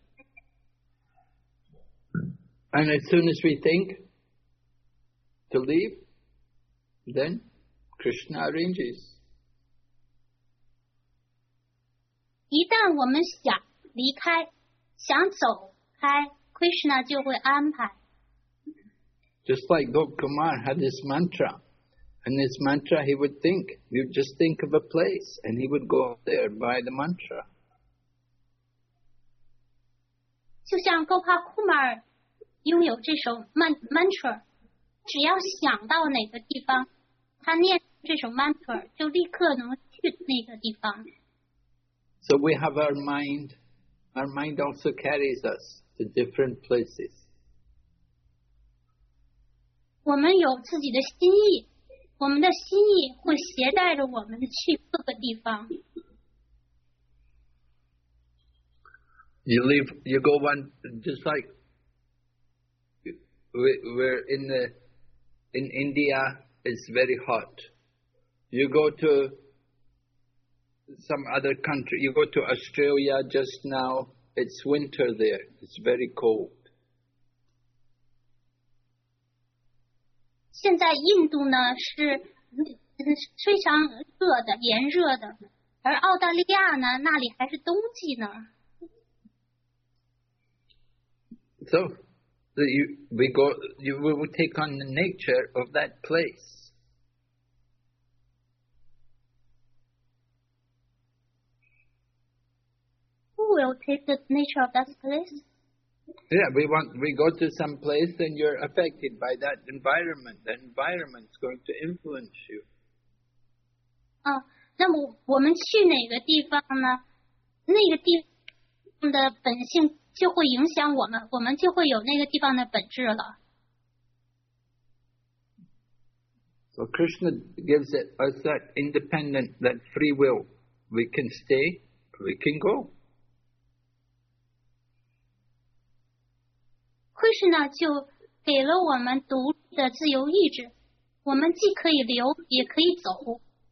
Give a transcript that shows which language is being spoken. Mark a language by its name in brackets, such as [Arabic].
[Chinese] 强迫我们，你们必须得待在这里。 [English] And as soon as we think to leave, then Krishna arranges. [Chinese] 一旦我们想离开，想走开， Krishna 就会安排。 [English] Just like Gop Kumar had this mantra, and this mantra he would think, you'd just think of a place, and he would go there by the mantra. [Chinese] 就像 Gop Kumar 拥有这首 mantra， 只要想到哪个地方，他念这首 mantra， 就立刻能去那个地方。 [English] So we have our mind also carries us to different places. [Chinese] 我们有自己的心意, 我们的心意会携带着我们去各个地方。 [English] You leave, you go one, just like we're in the, in India, it's very hot. You go to some other country, you go to Australia just now, it's winter there, it's very cold. [Chinese] 现在印度呢是非常热的，炎热的，而澳大利亚呢，那里还是冬季呢。 [English] So, we will take on the nature of that place. Who will take the nature of that place? Yeah, we go to some place and you're affected by that environment. The environment's going to influence you. [Chinese] 那么我们去哪个地方呢？那个地方的本性就会影响我们，我们就会有那个地方的本质了。 [English] So Krishna gives it us that independent, that free will. We can stay, we can go. [Chinese] Krishna 就给了我们独立的自由意志，我们既可以留，也可以走。